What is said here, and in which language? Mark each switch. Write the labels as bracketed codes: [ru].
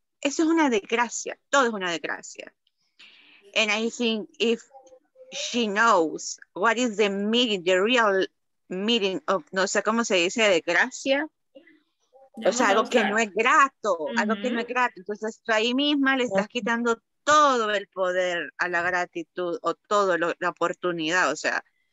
[es] Eso es una desgracia, todo es una desgracia. [en] And I think if she knows what is the meaning, the real meaning of, [es] no sé cómo se dice, [en] desgracia. [es] O sea, algo que no es grato, algo que no es grato. Entonces tú ahí misma le estás quitando todo el poder a la gratitud o toda la oportunidad, o sea.